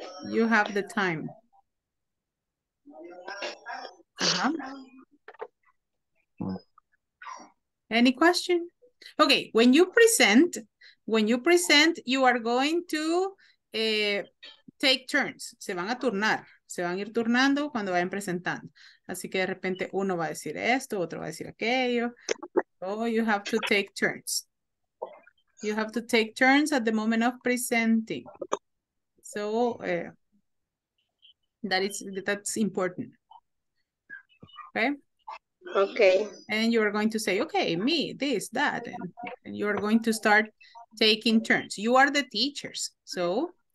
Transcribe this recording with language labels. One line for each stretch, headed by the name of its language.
English: You have the time. Any question? Okay, when you present, you are going to take turns.
Spanish: Se van a turnar. Se van a ir turnando cuando vayan presentando. Así que de repente uno va a decir esto, otro va a decir aquello.
English: Oh, you have to take turns. You have to take turns at the moment of presenting. So that's important. Okay? Okay. And you're going to say, okay, me, this, that. And you're going to start taking turns. You are the teachers. So